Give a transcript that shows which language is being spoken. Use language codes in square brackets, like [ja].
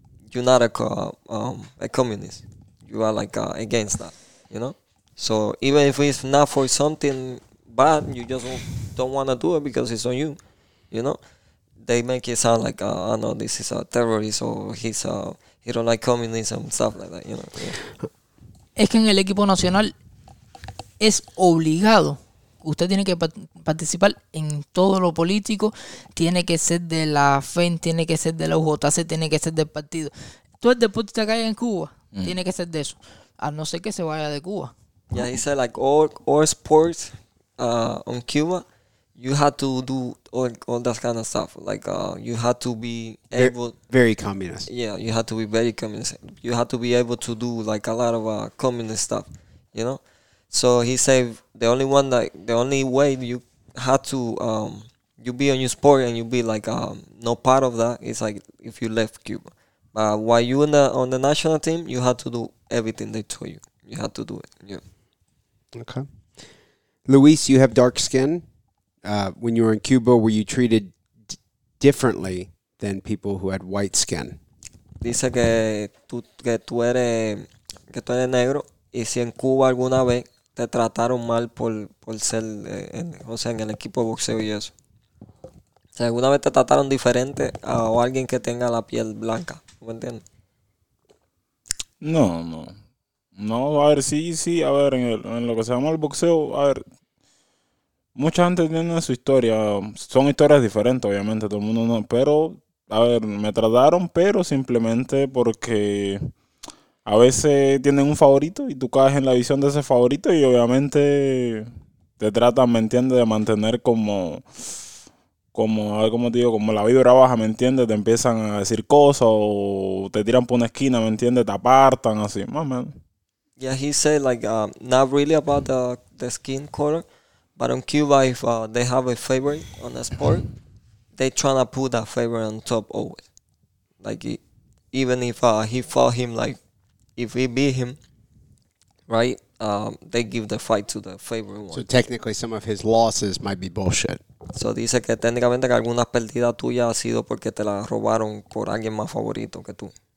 [en] you're not a communist. You are against that. You know? So even if it's not for something bad, you just don't want to do it because it's on you, you know? They make it sound I know this is a terrorist, or he don't like communism, stuff like that, you know? Yeah. [es] Es que en el equipo nacional es obligado. Usted tiene que participar en todo lo político. Tiene que ser de la FEN, tiene que ser de la UJC, tiene que ser del partido. Todo el deporte que hay en Cuba tiene que ser de eso. A no ser que se vaya de Cuba. [en] Yeah, he said all sports on Cuba, you had to do all that kind of stuff. You had to be able... Very communist. Yeah, you had to be very communist. You had to be able to do a lot of communist stuff, you know? So he said the only way you had to... you be on your sport and you be no part of that is if you left Cuba. But while you on the national team, you had to do everything they told you. You had to do it, yeah. Okay. Luis, you have dark skin. When you were in Cuba, were you treated differently than people who had white skin? [es] Dice que tú eres negro, y si en Cuba alguna vez te trataron mal por ser, en el equipo de boxeo y eso. Si alguna vez te trataron diferente a alguien que tenga la piel blanca, ¿me entiendes? No. No, a ver, sí, a ver, en lo que se llama el boxeo, a ver, mucha gente tiene su historia, son historias diferentes, obviamente, todo el mundo no, pero, a ver, me trataron, pero simplemente porque a veces tienen un favorito y tú caes en la visión de ese favorito y obviamente te tratan, ¿me entiendes?, de mantener como, a ver, como te digo, como la vibra baja, ¿me entiendes?, te empiezan a decir cosas o te tiran por una esquina, ¿me entiendes?, te apartan, así, más o menos. [en] Yeah, he said not really about the skin color, but in Cuba, if they have a favorite on a sport, they trying to put that favorite on top always. Even if he fought him, if he beat him, right? They give the fight to the favorite one. So technically, some of his losses might be bullshit. [es] So dice que técnicamente que algunas pérdidas tuyas ha sido porque te las robaron por alguien más favorito que tú.